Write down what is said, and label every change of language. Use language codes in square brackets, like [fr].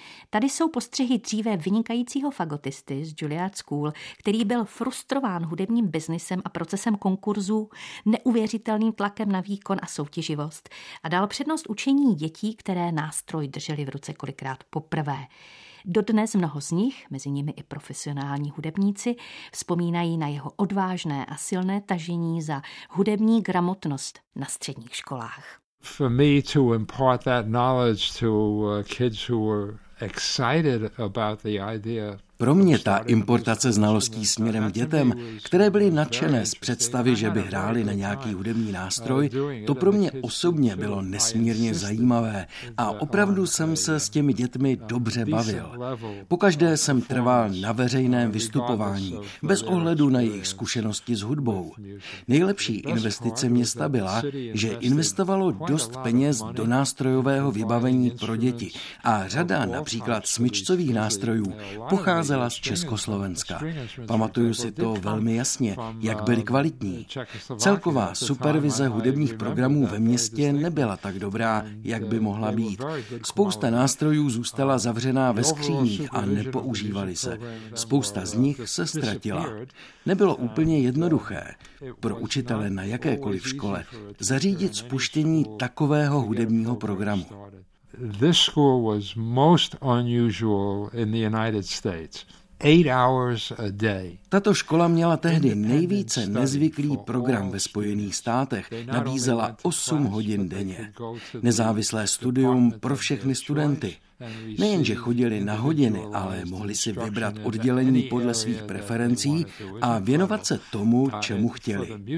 [cs] Tady jsou postřehy dříve vynikajícího fagotisty z Juilliard School, který byl frustrován hudebním biznisem a procesem konkurzů, neuvěřitelným tlakem na výkon a soutěživost a dal přednost učení dětí, které nástroj drželi v ruce kolikrát poprvé. Dodnes mnoho z nich, mezi nimi i profesionální hudebníci, vzpomínají na jeho odvážné a silné tažení za hudební gramotnost na středních školách. [en] For me to impart that knowledge to kids who were excited about the idea. [cs] Pro mě ta importace znalostí směrem dětem, které byly nadšené z představy, že by hráli na nějaký hudební nástroj, to pro mě osobně bylo nesmírně zajímavé a opravdu jsem se s těmi dětmi dobře bavil. Pokaždé jsem trval na veřejném vystupování, bez ohledu na jejich zkušenosti s hudbou. Nejlepší investice města byla, že investovalo dost peněz do nástrojového vybavení pro děti a řada například smyčcových nástrojů pocházela z Československa. Pamatuju si to velmi jasně, jak byly kvalitní. Celková supervize hudebních programů ve městě nebyla tak dobrá, jak by mohla být. Spousta nástrojů zůstala zavřená ve skříních a nepoužívaly se. Spousta z nich se ztratila. Nebylo úplně jednoduché pro učitele na jakékoliv škole zařídit spuštění takového hudebního programu. [en] This school was most unusual in the United States. 8 hours a day. [cs] Tato škola měla tehdy nejvíce nezvyklý program ve Spojených státech. Nabízela 8 hodin denně. Nezávislé studium pro všechny studenty. Nejenže chodili na hodiny, ale mohli si vybrat oddělení podle svých preferencí a věnovat se tomu, čemu chtěli.